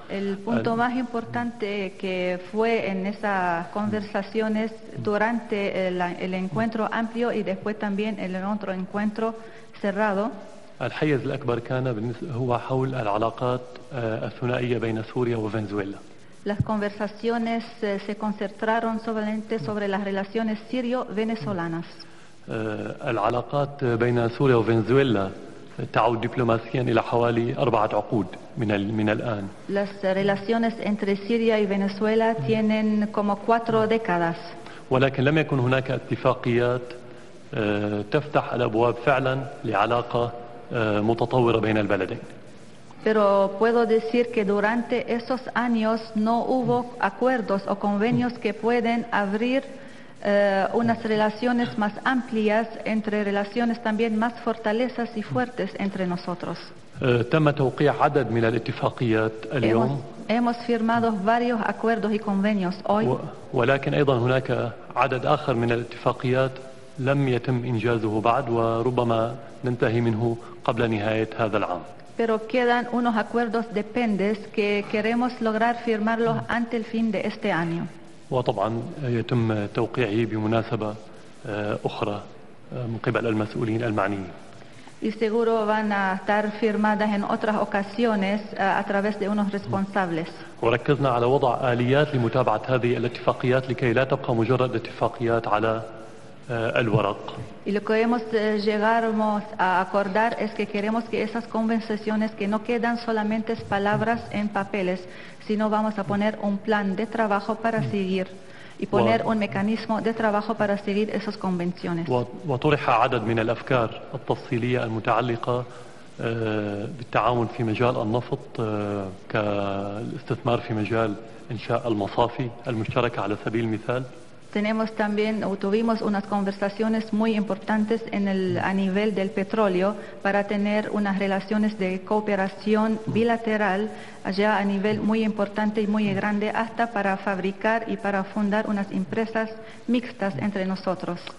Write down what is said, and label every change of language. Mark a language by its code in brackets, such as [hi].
[es] El punto más importante que fue en esas conversaciones durante el encuentro amplio y después también el otro encuentro cerrado. [ar] الحيز الأكبر كان هو حول العلاقات الثنائية بين سوريا وفنزويلا. [es] Las conversaciones se concentraron solamente sobre las relaciones sirio-venezolanas. [ar] العلاقات بين سوريا وفنزويلا تعود دبلوماسيا إلى حوالي أربعة عقود من الآن. [es] Las relaciones entre Siria y Venezuela tienen como cuatro décadas. [ar] ولكن لم يكن هناك اتفاقيات تفتح الأبواب فعلا لعلاقة متطورة بين البلدين. [es] Pero puedo decir que durante esos años no hubo acuerdos o convenios que pueden abrir unas relaciones más amplias entre relaciones también más fortalezas y fuertes entre nosotros. [ar] تم توقيع عدد من الاتفاقيات اليوم. [es] Hemos firmado varios acuerdos y convenios hoy. [ar] ولكن أيضا هناك عدد آخر من الاتفاقيات لم يتم إنجازه بعد وربما ننتهي منه قبل نهاية هذا العام. [es] Pero quedan unos acuerdos dependes que queremos lograr firmarlos ante el fin de este año. [ar] وطبعا يتم توقيعه بمناسبة أخرى من قبل المسؤولين المعنيين. [es] Y seguro van a estar firmadas en otras ocasiones a través de unos responsables. [ar] وركزنا على وضع آليات لمتابعة هذه الاتفاقيات لكي لا تبقى مجرد اتفاقيات على الورق. [es] Y lo que hemos llegado a acordar es que queremos que esas conversaciones que no quedan solamente palabras en papeles, sino vamos a poner un plan de trabajo para seguir y poner un mecanismo de trabajo para seguir esas convenciones. [ar] وطرح عدد من الأفكار التفصيلية المتعلقة بالتعاون في مجال النفط كالاستثمار في مجال إنشاء المصافي المشتركة على سبيل المثال. [es] Tenemos también o tuvimos unas conversaciones muy importantes en el, a nivel del petróleo para tener unas relaciones de cooperación bilateral allá a nivel muy importante y muy grande, hasta para fabricar y para fundar unas empresas mixtas entre nosotros.